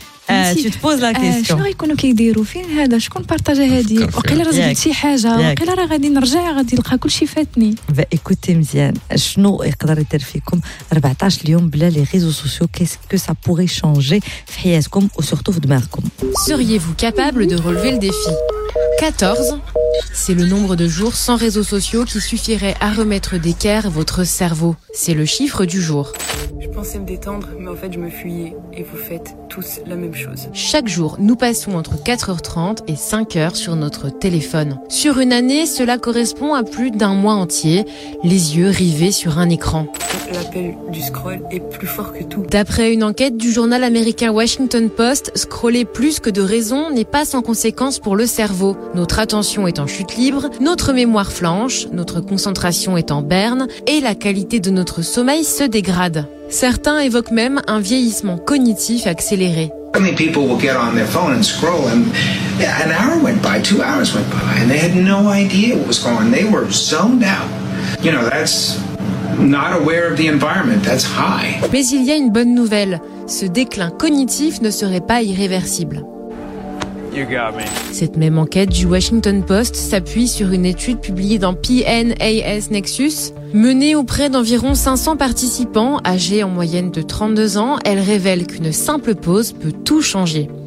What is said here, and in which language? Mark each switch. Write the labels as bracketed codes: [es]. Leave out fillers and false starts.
[fr] tu te poses la question. [ar] شنو غيكونوا كيديروا فين هذا شكون بارطاجا هذه وقيله راه زدت شي حاجه وقيله راه غادي نرجع غادي نلقى كلشي فاتني ايكوتي مزيان شنو يقدر يدير فيكم 14 يوم بلا [fr] لي ريزو سوسيو كيسكو سا بوري شانجي [ar] في حياتكم و سورتو في دماغكم [fr] seriez-vous capable de relever le défi 14 c'est le nombre de jours sans réseaux sociaux qui suffirait à remettre d'équerre votre cerveau c'est le chiffre du jour pensais me détendre, mais en fait, je me fuyais. Et vous faites tous la même chose. Chaque jour, nous passons entre 4h30 et 5h sur notre téléphone. Sur une année, cela correspond à plus d'un mois entier, les yeux rivés sur un écran. L'appel du scroll est plus fort que tout. D'après une enquête du journal américain Washington Post, scroller plus que de raison n'est pas sans conséquence pour le cerveau. Notre attention est en chute libre, notre mémoire flanche, notre concentration est en berne et la qualité de notre sommeil se dégrade. Certains évoquent même un vieillissement cognitif accéléré. [en] Many people will get on their phone and scroll, and an hour went by, 2 hours went by, and they had no idea what was going on. They were zoned out. You know, that's not aware of the environment. That's high. [fr] Mais il y a une bonne nouvelle. Ce déclin cognitif ne serait pas irréversible. [en] You got me. [fr] Cette même enquête du Washington Post s'appuie sur une étude publiée dans PNAS Nexus. Menée auprès d'environ 500 participants, âgés en moyenne de 32 ans, elle révèle qu'une simple pause peut tout changer.